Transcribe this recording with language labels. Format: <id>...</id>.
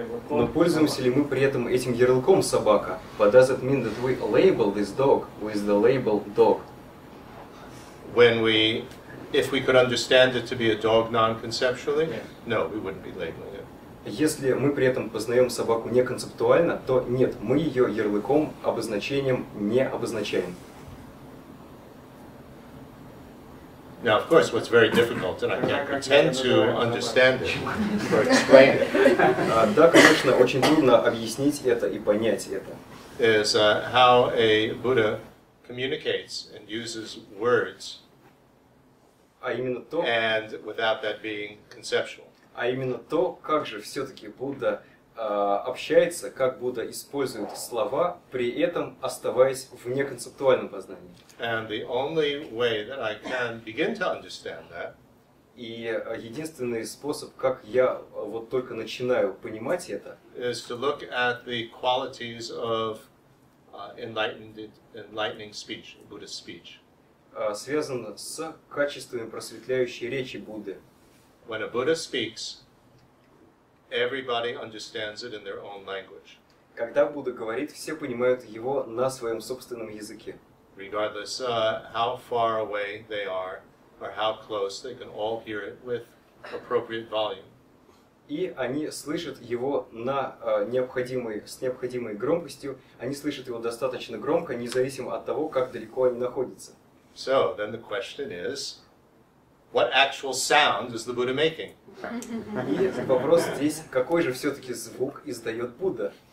<ru>Но пользуемся ли мы при этом этим ярлыком собака?</ru> <en>But does it mean that we label this dog with the label dog? When we, if we could understand it to be a dog non-conceptually, no, we wouldn't be labeling it.</en> <ru>Если мы при этом познаем собаку не концептуально, то нет, мы ее ярлыком, обозначением не обозначаем.</ru> <en>Now, of course, what's very difficult, and I can't pretend to understand it or explain it.</en> <ru>Да, конечно, очень трудно объяснить это и понять это.</ru> <en>Is how a Buddha communicates and uses words.</en> <ru>А именно то.</ru> <en>And without that being conceptual.</en> <ru>А именно то, как же все-таки Будда общается, как Будда использует слова, при этом оставаясь в неконцептуальном познании.</ru> <en>And the only way that I can begin to understand that.</en> <ru>И единственный способ, как я вот только начинаю понимать это.</ru> <en>Is to look at the qualities of enlightening speech, Buddhist speech.</en> <ru>Связан с качествами просветляющей речи Будды.</ru> <en>When a Buddha speaks, everybody understands it in their own language.</en> <ru>Когда Будда говорит, все понимают его на своем собственном языке.</ru> <en>Regardless how far away they are or how close, they can all hear it with appropriate volume.</en> <ru>И они слышат его на необходимой громкостью. Они слышат его достаточно громко, независимо от того, как далеко они находятся.</ru> <en>So then the question is. What actual sound is the Buddha making?</en> <ru>И вопрос здесь, какой же все-таки звук издает Будда?</ru>